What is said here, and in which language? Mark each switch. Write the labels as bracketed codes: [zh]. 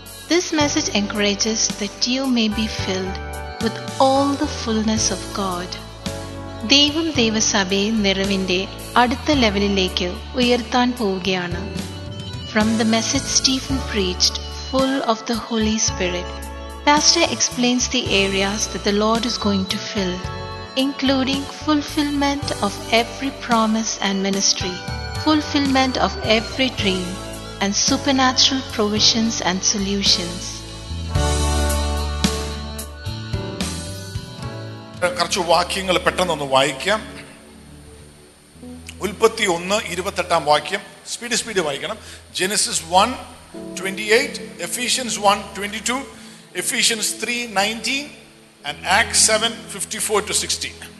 [en] This message encourages that you may be filled with all the fullness of God. [ml] ദൈവം ദൈവസഭയെ നിറവിൻ്റെ അടുത്ത ലെവലിലേക്ക് ഉയർത്താൻ പോവുകയാണ്. [en] From the message Stephen preached, full of the Holy Spirit, Pastor explains the areas that the Lord is going to fill, including fulfillment of every promise and ministry, fulfillment of every dream, and supernatural provisions and solutions. [ml] കുറച്ച് വാക്യങ്ങൾ പെട്ടെന്നൊന്ന് വായിക്കാം. ഉൽപ്പത്തി 1:28 വാക്യം speed speed വായിക്കണം. Genesis 1:28, Ephesians 1:22, Ephesians 3:19, and acts 7:54-60.